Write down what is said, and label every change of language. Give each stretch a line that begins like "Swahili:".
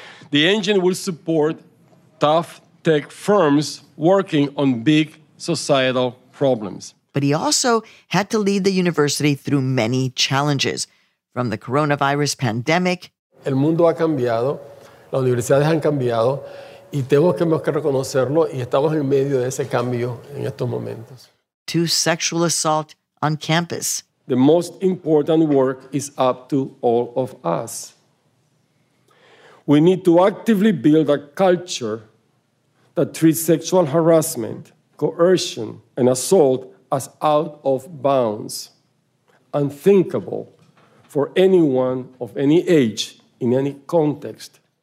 English: The Engine will support tough tech firms working on big societal problems. But he also had to lead the university through many challenges, from the coronavirus pandemic.
Spanish: El mundo ha cambiado, las universidades han cambiado, Y tenemos que reconocerlo y estamos en medio de ese cambio en estos momentos.
English: To sexual assault on campus. The most important work is up to all of us. We need to actively build a culture that treats sexual harassment, coercion, and assault as out of bounds, unthinkable for anyone of any age, in any context.